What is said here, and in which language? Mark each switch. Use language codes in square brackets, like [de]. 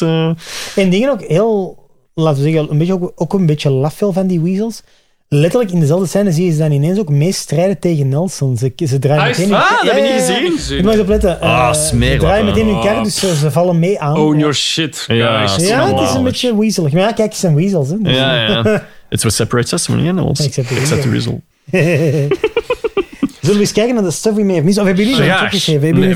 [nl] En dingen ook heel, laten we zeggen, ook een beetje lafvel van die weasels. Letterlijk, in dezelfde scène zie je ze dan ineens ook mee strijden tegen Nelson. Ze draaien meteen... Dat heb je niet gezien. Je mag opletten. Ze draaien meteen hun kar, dus ze vallen mee aan. [en] Own your shit, guys. [nl] Ja, het is een beetje weaselig. Maar kijk, het zijn weasels. Hè. Dus [en] It's what separates us from the animals. Except the weasel. [nl] Zullen we eens kijken naar de stuff we mee hebben? Of hebben jullie een truc gegeven?